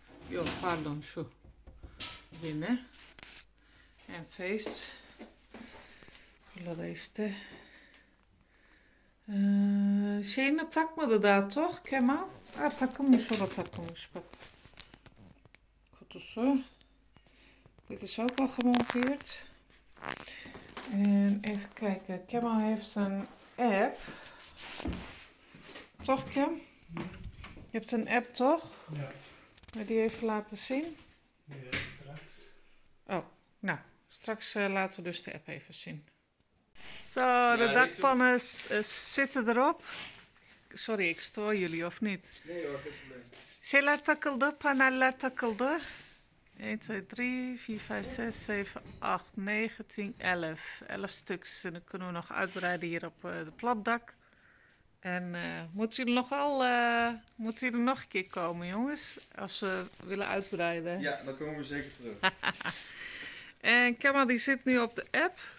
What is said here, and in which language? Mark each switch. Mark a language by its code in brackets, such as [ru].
[tr] Yok pardon şu yine enfes burada işte şeyini takmadı daha toh Kemal ha, takılmış ona takılmış bak kutusu [nl] dit is ook al gemonteerd en even kijken Kemal heeft zijn app toch Kem je hebt een app toch ja. Wil je die even laten zien? Ja, straks. Oh, nou, straks laten we dus de app even zien. Zo, ja, de dakpannen zitten erop. Sorry, ik stoor jullie, of niet? Nee hoor, geen probleem. [tr] Zeller takıldı, paneller takıldı. [nl] 1, 2, 3, 4, 5, 6, 7, 8, 9, 10, 11. 11 stuks, en dan kunnen we nog uitbreiden hier op de platdak. En moeten jullie nog wel moeten jullie nog een keer komen, jongens? Als we willen uitbreiden. Ja, dan komen we zeker terug. En Kemal die zit nu op de app.